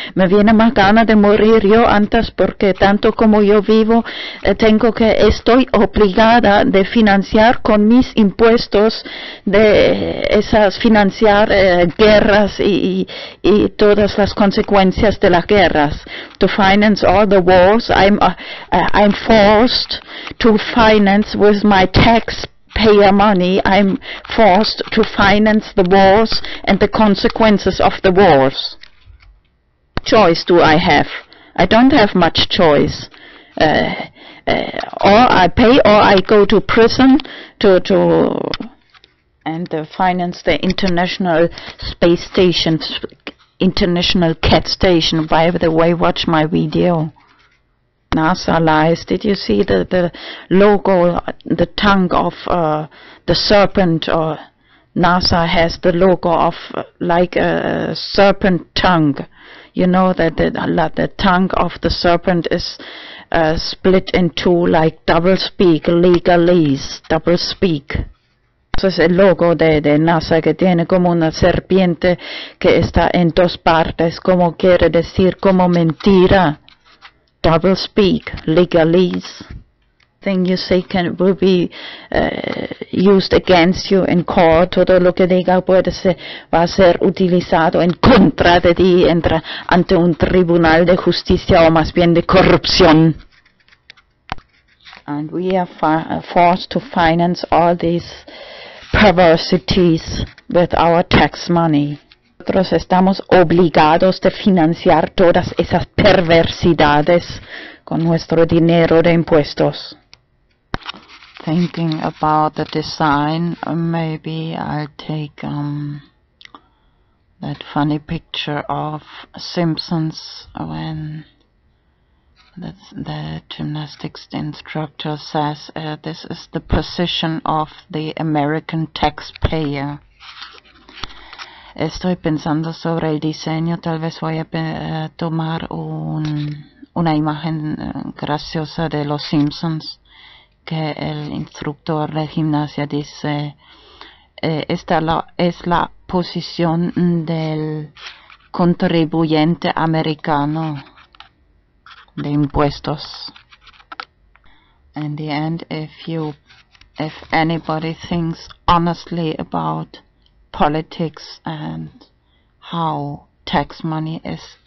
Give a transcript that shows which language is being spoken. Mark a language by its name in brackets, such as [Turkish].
[Spanish] Me viene más ganas de morir yo antes porque tanto como yo vivo, tengo que, estoy obligada de financiar con mis impuestos de esas, financiar guerras y todas las consecuencias de las guerras. [English] To finance all the wars, I'm forced to finance with my tax pay your money, I'm forced to finance the wars and the consequences of the wars. What choice do I have? I don't have much choice. Or I pay or I go to prison to finance the International Space Station, International Cat Station. By the way, watch my video. NASA lies. Did you see the logo, the tongue of the serpent? Or NASA has the logo of like a serpent tongue. You know that the tongue of the serpent is split in two, like double speak, legalese, double speak. [Spanish] Eso es el logo de NASA, que tiene como una serpiente que está en dos partes, como quiere decir, como mentira. [English] Double speak, legalese. Thing you say can will be used against you in court. [Spanish] Todo lo que diga puede ser, va a ser utilizado en contra de ti, entra ante un tribunal de justicia o más bien de corrupción. [English] And we are forced to finance all these perversities with our tax money. [Spanish] Nosotros estamos obligados de financiar todas esas perversidades con nuestro dinero de impuestos. [English] Thinking about the design, maybe I'll take that funny picture of Simpsons when the gymnastics instructor says this is the position of the American taxpayer. [Spanish] Estoy pensando sobre el diseño, tal vez voy a tomar una imagen graciosa de los Simpsons, que el instructor de gimnasia dice, es la posición del contribuyente americano de impuestos. [English] In the end, if anybody thinks honestly about politics and how tax money is.